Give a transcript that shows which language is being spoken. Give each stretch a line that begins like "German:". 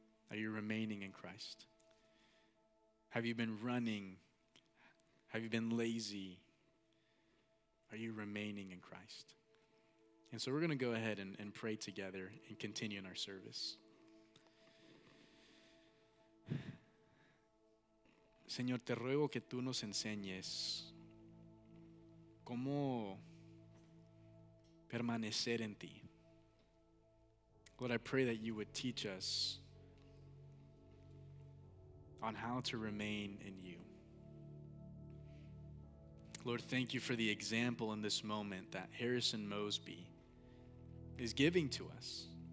English: Are you remaining in Christ? Have you been running? Have you been lazy? Are you remaining in Christ? And so we're going to go ahead and pray together and continue in our service.
Spanish: Señor, te ruego que tú nos enseñes cómo permanecer en ti.
English: Lord, I pray that you would teach us on how to remain in you. Lord, thank you for the example in this moment that Harrison Mosby is giving to us.